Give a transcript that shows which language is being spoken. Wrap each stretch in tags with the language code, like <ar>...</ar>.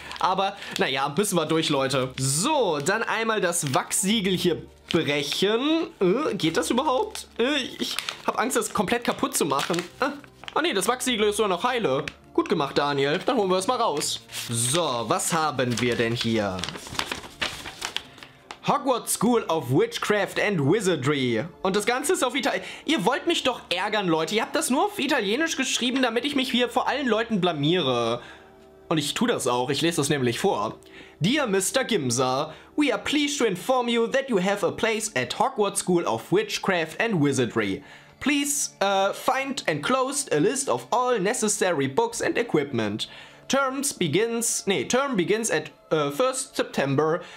<de>Aber naja, müssen wir durch, Leute. So, dann einmal das Wachssiegel hier brechen. Geht das überhaupt? Ich habe Angst, das komplett kaputt zu machen. Ah ne, das Wachssiegel ist sogar noch heile. Gut gemacht, Daniel. Dann holen wir es mal raus. So, was haben wir denn hier?</de> <en>Hogwarts School of Witchcraft and Wizardry.</en> <de>Und das Ganze ist auf Italienisch. Ihr wollt mich doch ärgern, Leute. Ihr habt das nur auf Italienisch geschrieben, damit ich mich hier vor allen Leuten blamiere. Und ich tue das auch. Ich lese das nämlich vor.</de> <en>Dear Mr. Gimsa, we are pleased to inform you that you have a place at Hogwarts School of Witchcraft and Wizardry. Please find enclosed a list of all necessary books and equipment. Term begins at 1st September.</en>